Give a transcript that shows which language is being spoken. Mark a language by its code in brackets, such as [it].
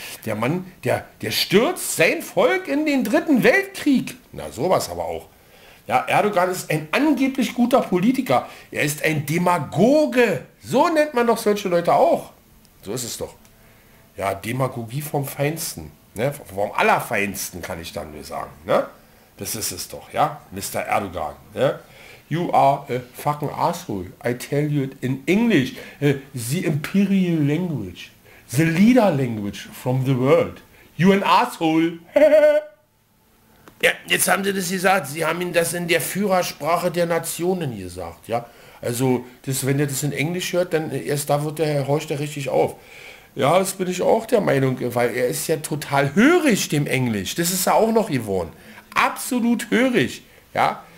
[de] Der Mann, der stürzt sein Volk in den dritten Weltkrieg. Na, sowas aber auch. Ja, Erdogan ist ein angeblich guter Politiker. Er ist ein Demagoge. So nennt man doch solche Leute auch. So ist es doch. Ja, Demagogie vom Feinsten. Ne? Vom Allerfeinsten, kann ich dann nur sagen. Ne? Das ist es doch, ja? Mr. Erdogan. Ne? [en] You are a fucking asshole. I tell you it in English. The imperial language. The leader language from the world. You an asshole. [de] Ja, jetzt haben Sie das gesagt. Sie haben Ihnen das in der Führersprache der Nationen gesagt, ja. Also, das, wenn ihr das in Englisch hört, dann erst da wird der horcht er richtig auf. Ja, das bin ich auch der Meinung, weil er ist ja total hörig, dem Englisch. Das ist er auch noch geworden. Absolut hörig, ja.